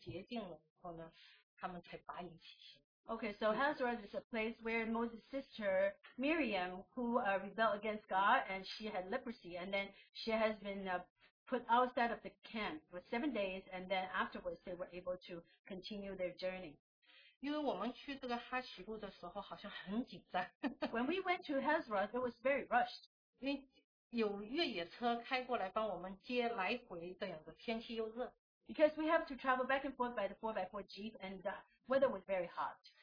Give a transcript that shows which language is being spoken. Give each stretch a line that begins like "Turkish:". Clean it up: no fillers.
Chinese: 哈喜路大家都知道，就是米利亚，就摩西的姐姐米利亚，因为是回谤神，然后呢得了那个大麻风，后来七天后洁净了以后呢，他们才拔营起行。
English: Okay, so Hazeroth is a place where Moses' sister Miriam, who rebelled against God, and she had leprosy, and then she has been put outside of the camp for 7 days, and then afterwards they were able to continue their journey.
Chinese: 因为我们去这个哈喜路的时候好像很紧张。
English: When we went to Hazeroth, it was very rushed.
Chinese: 因为有越野车开过来帮我们接来回这样的，天气又热。
English: Because we have to travel back and forth by the 4x4 jeep, and the weather was very hot.